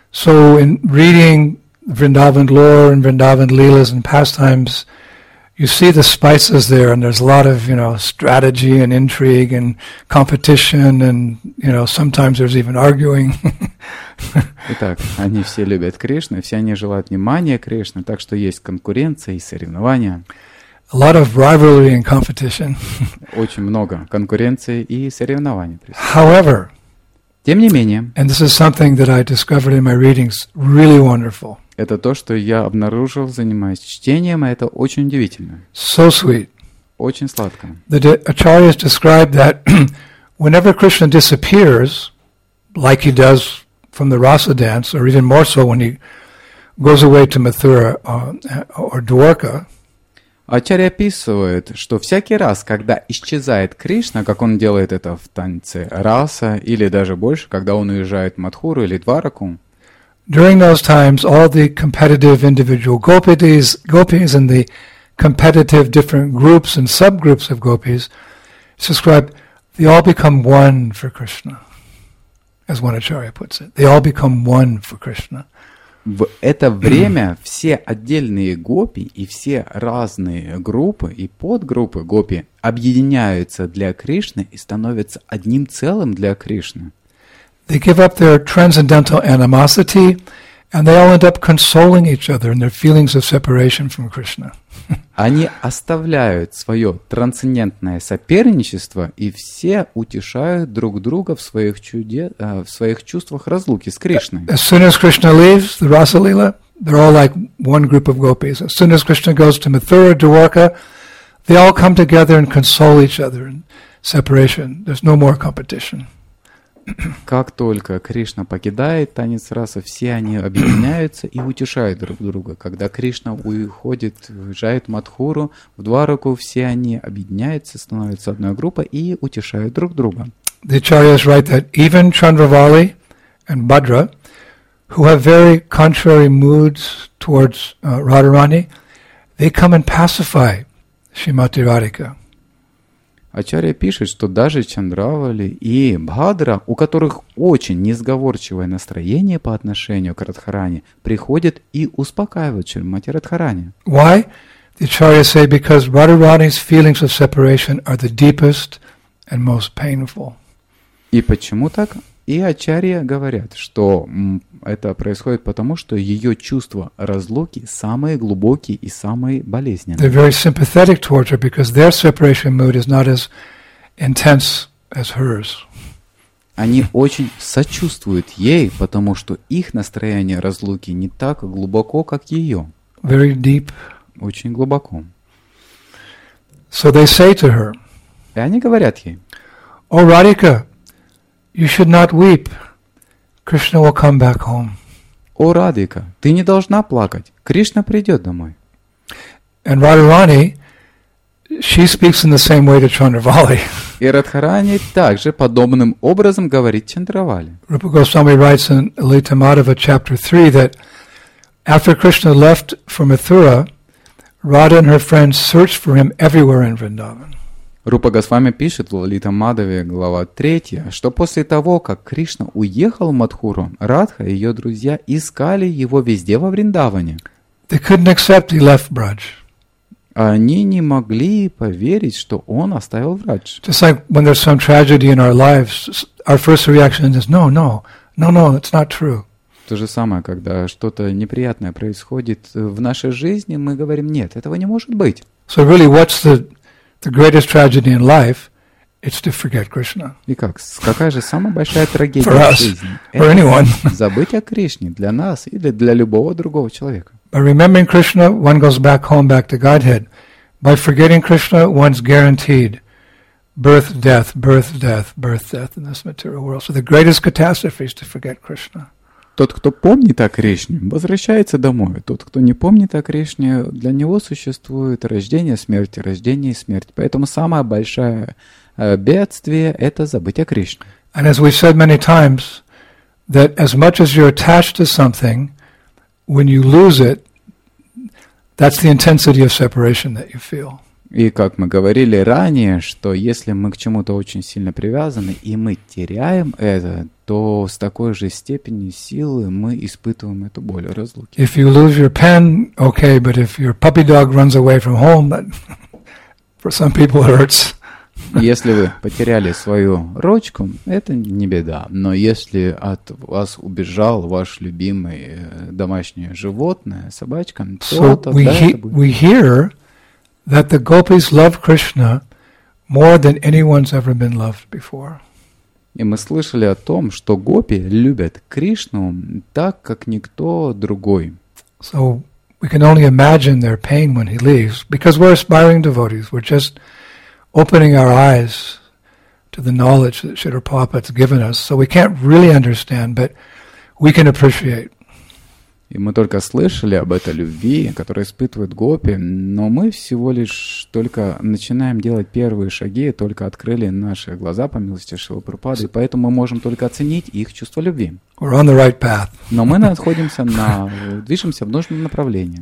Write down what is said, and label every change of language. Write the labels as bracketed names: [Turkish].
[English] So in reading Vrindavan lore and Vrindavan leelas and pastimes, you see the spices there, and there's a lot of, you know, strategy and intrigue and competition, and, you know, sometimes there's even arguing. [Russian] Итак, они все любят Кришну, все они желают внимания Кришны, так что есть конкуренция и соревнования. [English] A lot of rivalry and competition. [Russian] Очень много конкуренции и соревнований. [English] However, [Russian] тем не менее, [English] and this is something that I discovered in my readings, really wonderful. [Russian] Это то, что я обнаружил, занимаясь чтением, и это очень удивительно. [English] So sweet. [Russian] Очень сладко. [English] The acharyas describe that whenever Krishna disappears, like he does from the rasa dance, or even more so when he goes away to Mathura or Dwarka. [Russian] Ачарья описывает, что всякий раз, когда исчезает Кришна, как он делает это в танце раса, или даже больше, когда он уезжает в Мадхуру или Двараку, [English] During those times, all the competitive individual gopis and the competitive different groups and subgroups of gopis, it's described, they all become one for Krishna, as one Acharya puts it. They all become one for Krishna. [Russian] В это время все отдельные гопи и все разные группы и подгруппы гопи объединяются для Кришны и становятся одним целым для Кришны. [English] They give up their transcendental animosity, and they all end up consoling each other in their feelings of separation from Krishna. [Russian] Они оставляют свое трансцендентное соперничество, и все утешают друг друга в своих чувствах разлуки с Кришной. [English] As soon as Krishna leaves the Rasa Lila, they're all like one group of gopis. As soon as Krishna goes to Mathura, Dwarka, they all come together and console each other in separation. There's no more competition. [Russian] Как только Кришна покидает танец расы, все они объединяются и утешают друг друга. Когда Кришна уходит, уезжает в Матхуру, в Дваруку, все они объединяются, становятся одной группой и утешают друг друга. [English] The Acharyas write that even Chandravali and Bhadra, who have very contrary moods towards Radharani, they come and pacify Shrimati Radhika. [Russian] Ачарья пишет, что даже Чандравали и Бхадра, у которых очень несговорчивое настроение по отношению к Радхарани, приходят и успокаивают Шримати Радхарани. [English] Why? The Acharya say because Radharani's feelings of separation are the deepest and most painful. [Russian] И почему так? И Ачарья говорят, что это происходит потому, что ее чувства разлуки самые глубокие и самые болезненные. [English] They're very sympathetic towards her because their separation mood is not as intense as hers. [Russian] Они очень сочувствуют ей, потому что их настроение разлуки не так глубоко, как ее. [English] Very deep. [Russian] Очень глубоко. [English] So they say to her. [Russian] И они говорят ей. О, Радика! [English] You should not weep. Krishna will come back home. [Russian] О, Радика, ты не должна плакать. Кришна придет домой. [English] And Radharani, she speaks in the same way to Chandravali. [Russian] И Радхарани также подобным образом говорит Чандравали. [English] Rupa Goswami writes in Lalita Madhava chapter 3 that after Krishna left for Mathura, Radha and her friends searched for him everywhere in Vrindavan. [Russian] Рупа Госвами пишет в Лалита Мадаве, глава 3, что после того, как Кришна уехал в Матхуру, Радха и ее друзья искали его везде во Вриндаване. [English] They couldn't accept he left Braj. [Russian] Они не могли поверить, что он оставил Брадж. [English] Just like when there's some tragedy in our lives, our first reaction is no, it's not true. [Russian] То же самое, когда что-то неприятное происходит в нашей жизни, мы говорим, нет, этого не может быть. [English] So really, what's the greatest tragedy in life, it's to forget Krishna. [Russian] И как? Какая же самая большая трагедия [English] for us, [Russian] в жизни? [English] For anyone. [Russian] Забыть о Кришне для нас или для любого другого человека. [English] By remembering Krishna, one goes back home, back to Godhead. By forgetting Krishna, one's guaranteed birth, death in this material world. So the greatest catastrophe is to forget Krishna. [Russian] Тот, кто помнит о Кришне, возвращается домой. Тот, кто не помнит о Кришне, для него существует рождение, смерть. Поэтому самое большое бедствие – это забыть о Кришне. [English] And as we've said many times, that as much as you're attached to something, when you lose it, that's the intensity of separation that you feel. [Russian] И как мы говорили ранее, что если мы к чему-то очень сильно привязаны, и мы теряем это, то с такой же степенью силы мы испытываем эту боль разлуки. [English] If you lose your pen, okay, but if your puppy dog runs away from home, that for some people it hurts. [Russian] Если вы потеряли свою ручку, это не беда. Но если от вас убежал ваш любимый домашнее животное, собачка, то [English] so [Russian] тогда [English] we [Russian] это будет. [English] We hear that the gopis love Krishna more than anyone's ever been loved before. [Russian] И мы слышали о том, что гопи любят Кришну так, как никто другой. [English] So we can only imagine their pain when he leaves, because we're aspiring devotees, we're just opening our eyes to the knowledge that Śrīla Prabhupāda has given us, so we can't really understand, but we can appreciate. [Russian] И мы только слышали об этой любви, которую испытывают гопи, но мы всего лишь только начинаем делать первые шаги, только открыли наши глаза по милости Шрилы Прабхупады, и поэтому мы можем только оценить их чувство любви. [English] We're on the right path. [Russian] Но мы находимся на, движемся в нужном направлении.